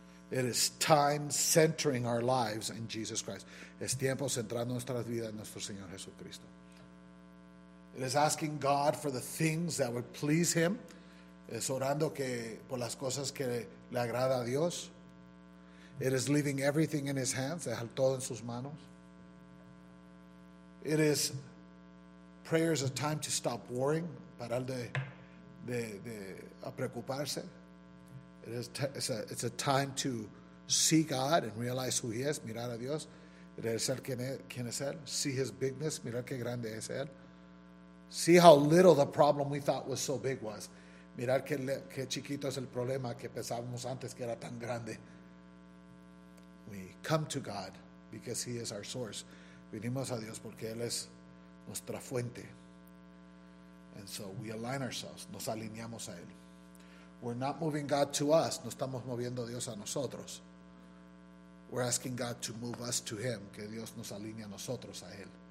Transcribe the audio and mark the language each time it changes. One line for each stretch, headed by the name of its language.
English: It is time centering our lives in Jesus Christ.
Spanish: Es tiempo centrando nuestras vidas en nuestro Señor Jesucristo.
English: It is asking God for the things that would please Him.
Spanish: Es orando que por las cosas que le agrada a Dios.
English: It is leaving everything in His hands.
Spanish: Dejar todo en sus manos.
English: It is... Prayer is a time to stop worrying,
Spanish: parar de preocuparse.
English: It's a time to see God and realize who he is,
Spanish: mirar a Dios, reconocer quién es él,
English: see his bigness,
Spanish: mirar qué grande es él,
English: see how little the problem we thought was so big was,
Spanish: mirar qué chiquito es el problema que pensábamos antes que era tan grande.
English: We come to God because he is our source.
Spanish: Venimos a Dios porque él es nuestra fuente.
English: And so we align ourselves,
Spanish: nos alineamos a él.
English: We're not moving God to us,
Spanish: no estamos moviendo Dios a nosotros.
English: We're asking God to move us to him,
Spanish: que Dios nos alinee a nosotros a él.